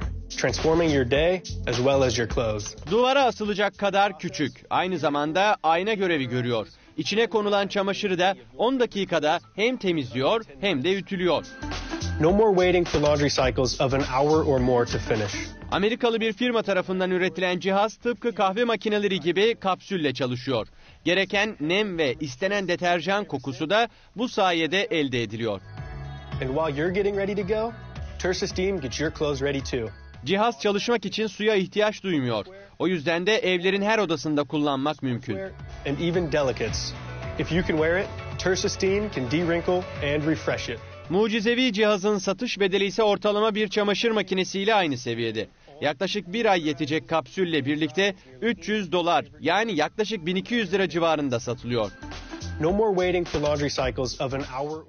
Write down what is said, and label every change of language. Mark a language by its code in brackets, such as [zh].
[en] Transforming your day as well as your clothes. [tr] Duvara asılacak kadar küçük, aynı zamanda ayna görevi görüyor. İçine konulan çamaşırı da 10 dakikada hem temizliyor hem de ütülüyor. [en] No more waiting for laundry cycles of an hour or more to finish. [tr] Amerikalı bir firma tarafından üretilen cihaz tıpkı kahve makineleri gibi kapsülle çalışıyor. Gereken nem ve istenen deterjan kokusu da bu sayede elde ediliyor. [en] And while you're getting ready to go, Tersa Steam gets your clothes ready too. [tr] Cihaz çalışmak için suya ihtiyaç duymuyor. O yüzden de evlerin her odasında kullanmak mümkün. [en] And even delicates. If you can wear it, Tersa Steam can de-wrinkle and refresh it. [tr] Mucizevi cihazın satış bedeli ise ortalama bir çamaşır makinesiyle aynı seviyede. Yaklaşık bir ay yetecek kapsülle birlikte $300, yani yaklaşık 1200 lira civarında satılıyor. [en] No more waiting for laundry cycles of an hour.